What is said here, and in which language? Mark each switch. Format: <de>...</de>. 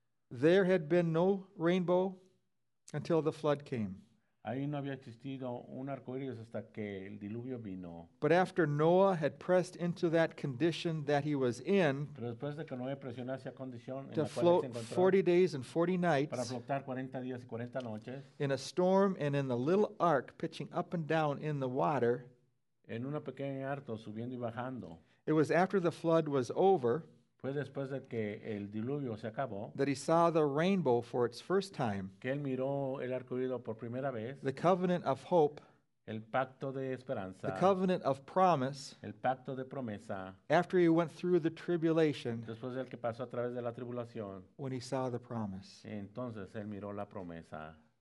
<en>There had been no rainbow until the flood came.</en> <es>Ahí no había existido un arcoíris hasta que el diluvio vino.</es> <en>But after Noah had pressed into that condition that he was in,</en> <es>pero después de que Noé presionó hacia condición en</es> <en>to</en> <es>la cual</es> <en>float</en> <es>se encontró,</es> <en>40 days and 40 nights,</en> <es>para flotar 40 días y 40 noches,</es> <en>in a storm and in the little ark pitching up and down in the water,</en> <es>en una pequeña arto subiendo y bajando,</es> <en>it was after the flood was over,</en> <es>fue después de que el diluvio se acabó,</es> <en>that he saw the rainbow for its first time,</en> <es>que él miró el arco iris por primera vez,</es> <en>the covenant of hope,</en> <es>el pacto de esperanza,</es> <en>the covenant of promise,</en> <es>el pacto de promesa,</es> <en>after he went through the tribulation,</en> <es>después del que pasó a través de la tribulación,</es> <en>when he saw the promise.</en> <es>Entonces él miró la promesa.</es>